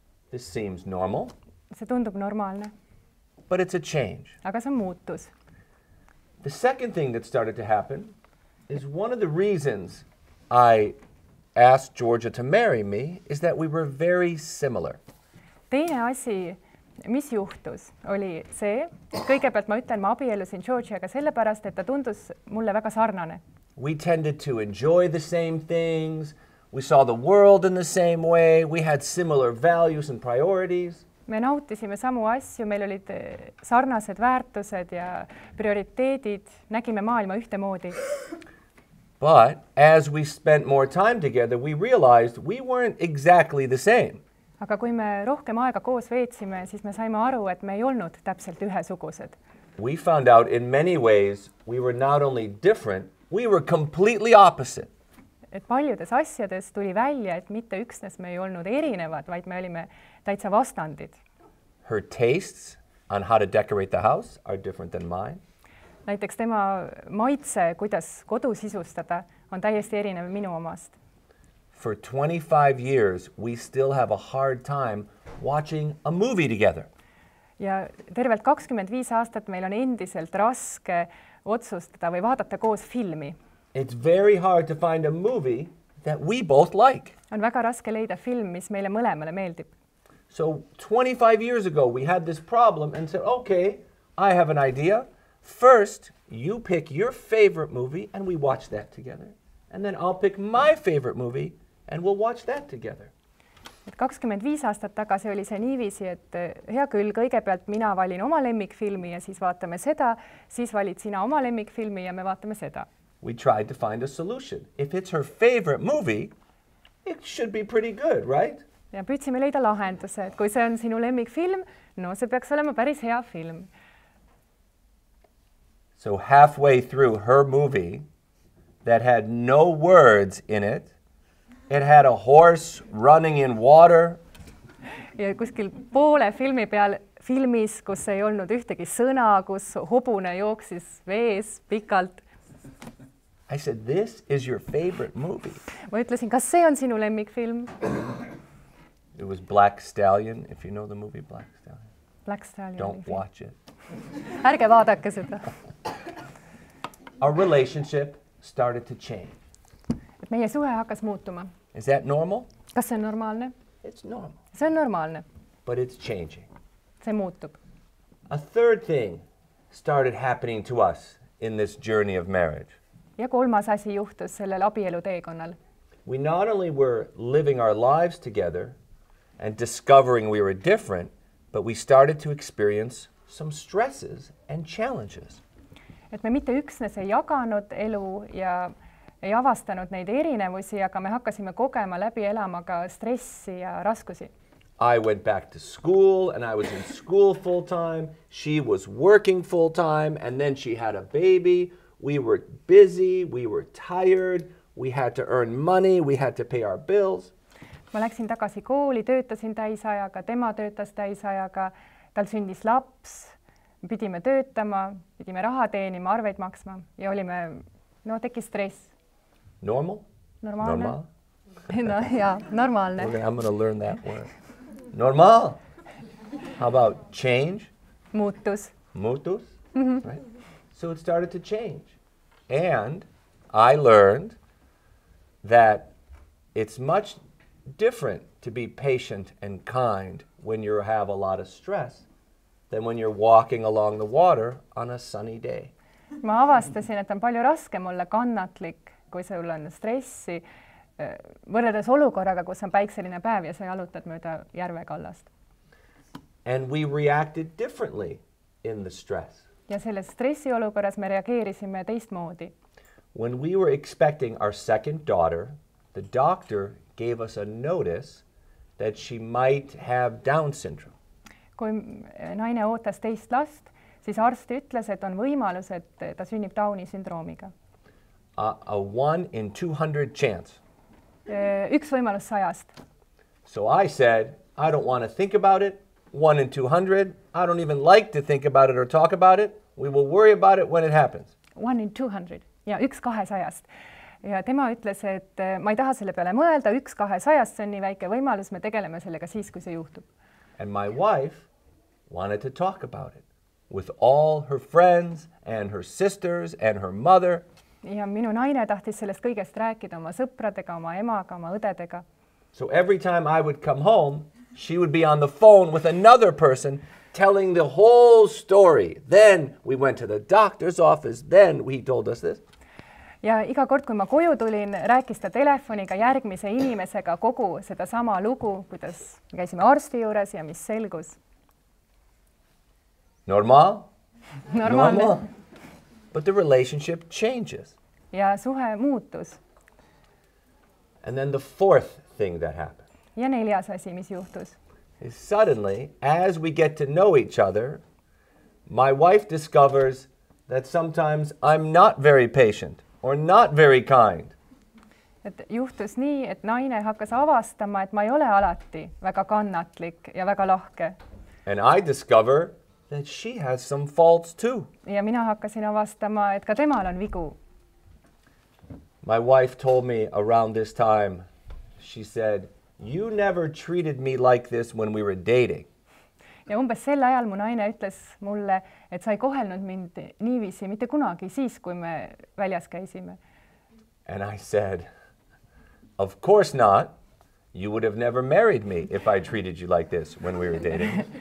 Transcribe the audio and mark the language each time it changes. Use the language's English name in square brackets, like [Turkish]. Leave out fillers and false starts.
[English] This seems normal. [Estonian] See tundub normaalne. [English] But it's a change. [Estonian] Aga see on muutus. [English] The second thing that started to happen is one of the reasons I asked Georgia to marry me is that we were very similar. [Estonian] Teine asi, mis juhtus, oli see, kõigepealt ma ütlen, ma abielusin Georgiaga sellepärast, et ta tundus mulle väga sarnane. [English] We tended to enjoy the same things. We saw the world in the same way. We had similar values and priorities. [Estonian] Me nautisime samu asju, meil olid sarnased väärtused ja prioriteedid, nägime maailma ühte moodi. [English] But as we spent more time together, we realized we weren't exactly the same. [Estonian] Aga kui me rohkem aega koos veetsime, siis me saime aru, et me ei olnud täpselt ühesugused. [English] We found out in many ways we were not only different, we were completely opposite. [Estonian] Et paljudes asjades tuli välja, et mitte üksnes me ei olnud erinevad, vaid me olime täitsa vastandid. [English] Her tastes on how to decorate the house are different than mine. [Estonian] näiteks tema maitse, kuidas kodu sisustada, on täiesti erinev minu omast. [English] For 25 years, we still have a hard time watching a movie together. [Estonian] Ja tervelt 25 aastat meil on endiselt raske otsustada või vaadata koos filmi. [English] It's very hard to find a movie that we both like. [Estonian] On väga raske leida film, mis meile mõlemale meeldib. [English] So 25 years ago, we had this problem and said, okay, I have an idea. First, you pick your favorite movie and we watch that together. And then I'll pick my favorite movie and we'll watch that together. [Estonian] 25 aastat tagasi oli see niiviisi, et hea küll, kõigepealt mina valin oma lemmikfilmi ja siis vaatame seda, siis valid sina oma lemmikfilmi ja me vaatame seda. [English] We tried to find a solution. If it's her favorite movie, it should be pretty good, right? [Estonian] Ja püüdsime leida lahenduse, et kui see on sinu lemmikfilm, no see peaks olema päris hea film. [English] So halfway through her movie that had no words in it, it had a horse running in water. [Estonian] Ja kuskil poole filmi peal filmis, kus ei olnud ühtegi sõna, kus hobune jooksis vees pikalt. [English] I said, this is your favorite movie. [Estonian] Ma ütlesin, kas see on sinu lemmikfilm? [English] It was Black Stallion, if you know the movie Black Stallion. Black Stallion. Don't watch it. [Estonian] Ärge vaadake seda. [English] Our relationship started to change. [Estonian] Et meie suhe hakkas muutuma. [English] Is that normal? [Estonian] Kas see on normaalne? [English] It's normal. [Estonian] See on normaalne. [English] But it's changing. [Estonian] See muutub. [English] A third thing started happening to us in this journey of marriage. [Estonian] Ja kolmas asi juhtus sellel abielu teekonnal. [English] We not only were living our lives together and discovering we were different, but we started to experience some stresses and challenges. [Estonian] Et me mitte üksnes ei jaganud elu ja ei avastanud neid erinevusi, aga me hakkasime kogema läbi elama ka stressi ja raskusi. [English] I went back to school and I was in school full time. She was working full time and then she had a baby. We were busy, we were tired, we had to earn money, we had to pay our bills. [Estonian] Ma läksin tagasi kooli, töötasin täisajaga, tema töötas täisajaga, tal sündis laps, pidime töötama, pidime raha teenima, arveid maksma ja olime, no teki stress. [English] Normal? [Estonian] Normaalne. Normaal? No, jah, normaalne. [English] Okay, I'm gonna learn that word. Normaal! How about change? [Estonian] Muutus. [English] Muutus? Mm-hmm. Right? So it started to change. And I learned that it's much different to be patient and kind when you have a lot of stress than when you're walking along the water on a sunny day. [Estonian] Ma avastasin, et on palju raskem olla kannatlik, kui sul on stressi, võrreldes olukorraga, kus on päikseline päev ja sa jalutad mööda järvekallast. [English] And we reacted differently in the stress. [Estonian] Ja selles stressi olukorras me reageerisime teistmoodi. [English] When we were expecting our second daughter, the doctor gave us a notice that she might have Down syndrome. [Estonian] Kui naine ootas teist last, siis arst ütles, et on võimalus, et ta sünnib Downi sindroomiga. [English] A 1 in 200 chance. [Estonian] Üks võimalus sajast. [English] So I said, I don't want to think about it. 1 in 200. I don't even like to think about it or talk about it. We will worry about it when it happens. 1 in 200. [Estonian] Ja üks kahesajast. Ja tema ütles, et ma ei taha selle peale mõelda. Üks kahesajast, see on nii väike võimalus. Me tegeleme sellega siis, kui see juhtub. [English] And my wife wanted to talk about it with all her friends and her sisters and her mother. [Estonian] Ja minu naine tahtis sellest kõigest rääkida oma sõpradega, oma emaga, oma õdedega. [English] So every time I would come home, she would be on the phone with another person telling the whole story. Then we went to the doctor's office. Then he told us this. [Estonian] Ja iga kord, kui ma koju tulin, rääkis ta telefoniga järgmise inimesega kogu seda sama lugu, kuidas käisime arsti juures ja mis selgus. Normaal? Normaalne. Normaal. [English] But the relationship changes. [Estonian] Ja suhe muutus. [English] And then the fourth thing that happened. [Estonian] Ja neljas asi, mis juhtus. [English] Is suddenly, as we get to know each other, my wife discovers that sometimes I'm not very patient or not very kind. [Estonian] Et juhtus nii, et naine hakkas avastama, et ma ei ole alati väga kannatlik ja väga lahke. [English] And I discover that she has some faults too. [Estonian] Ja mina hakkasin avastama, et ka temal on vigu. [English] My wife told me around this time, she said, "You never treated me like this when we were dating." [Estonian] Ja umbes sel ajal mu naine ütles mulle, et sa ei kohelnud mind niiviisi mitte kunagi siis, kui me väljas käisime. [English] And I said, "Of course not. You would have never married me if I treated you like this when we were dating."